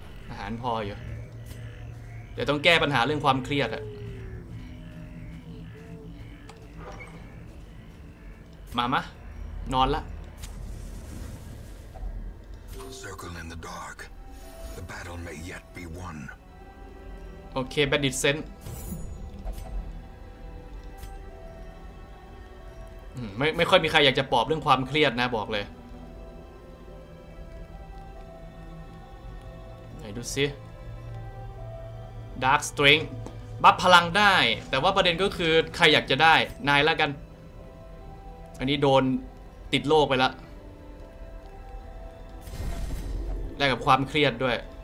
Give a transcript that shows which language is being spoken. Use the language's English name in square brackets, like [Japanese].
[Thai] อาหารพออยู่เดี๋ยวต้องแก้ปัญหาเรื่องความเครียดอะมามะนอนละ [English] Circle in the dark. The battle may yet be won. [Thai] โอเคแบดดิทเซนไม่ค่อยมีใครอยากจะปอบเรื่องความเครียดนะบอกเลย ไหนดูสิ Dark Strength บัฟพลังได้แต่ว่าประเด็นก็คือใครอยากจะได้นายละกันอันนี้โดนติดโลกไปแล้วแลกกับความเครียดด้วย